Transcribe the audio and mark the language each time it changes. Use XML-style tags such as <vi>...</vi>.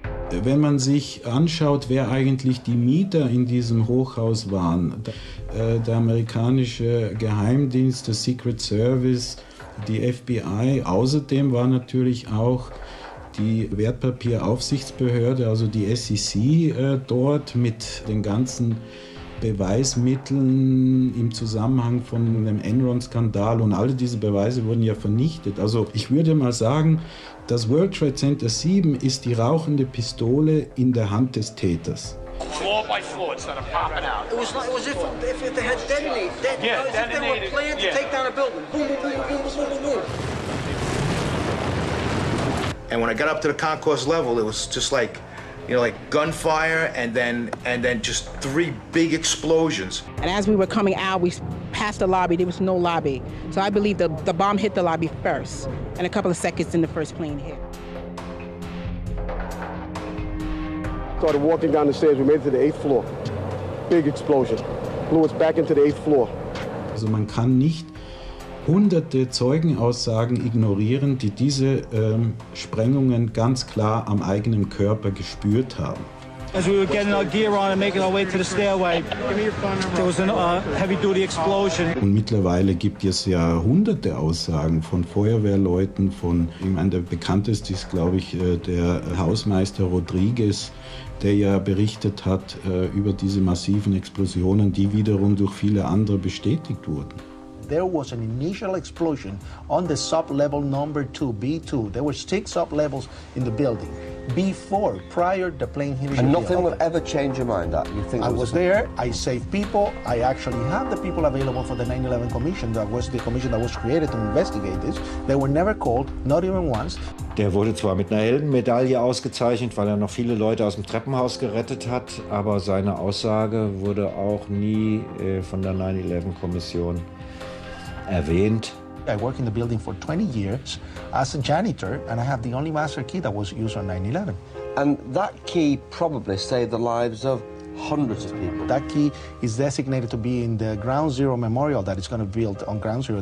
<de>Wenn man sich anschaut, wer eigentlich die Mieter in diesem Hochhaus waren, der amerikanische Geheimdienst, der Secret Service, die FBI, außerdem war natürlich auch die Wertpapieraufsichtsbehörde, also die SEC, dort mit den ganzen Beweismitteln im Zusammenhang von einem Enron-Skandal, und alle diese Beweise wurden ja vernichtet. Also ich würde mal sagen, das World Trade Center 7 ist die rauchende Pistole in der Hand des Täters.</de> <en>Floor by floor, it started popping out. It was like as if they had detonated. Yeah, as detonated. If they were planning to take down a building. Boom, boom, boom, boom, boom, boom, boom. And when I got up to the concourse level, it was just like, you know, like gunfire, and then just three big explosions. And as we were coming out, we passed the lobby. There was no lobby, so I believe the bomb hit the lobby first, and a couple of seconds in the first plane hit. Started walking down the stairs. We made it to the 8th floor. Big explosion. Blew us back into the 8th floor.</en> <de>Also man kann nicht hunderte Zeugenaussagen ignorieren, die diese Sprengungen ganz klar am eigenen Körper gespürt haben.</de> <en>as we were getting our gear on and making our way to the stairway, there was a heavy-duty explosion.</en> <de>Und mittlerweile gibt es ja hunderte Aussagen von Feuerwehrleuten, von, ich meine, der bekannteste ist, glaube ich, der Hausmeister Rodriguez, der ja berichtet hat über diese massiven Explosionen, die wiederum durch viele andere bestätigt wurden.</de> <en>There was an initial explosion on the sub-level number 2, B2. There were 6 sub-levels in the building before, prior to the plane hit. And nothing will ever change your mind that you think I was there, I saved people, I actually had the people available for the 9/11 commission, that was the commission that was created to investigate this. They were never called, not even once.</en> <de>Der wurde zwar mit einer Heldenmedaille ausgezeichnet, weil er noch viele Leute aus dem Treppenhaus gerettet hat, aber seine Aussage wurde auch nie von der 9/11-Kommission erwähnt.</de> <en>I work in the building for 20 years as a janitor and I have the only master key that was used on 9/11. And that key probably saved the lives of hundreds of people. That key is designated to be in the Ground Zero Memorial that is going to be built on Ground Zero.</en>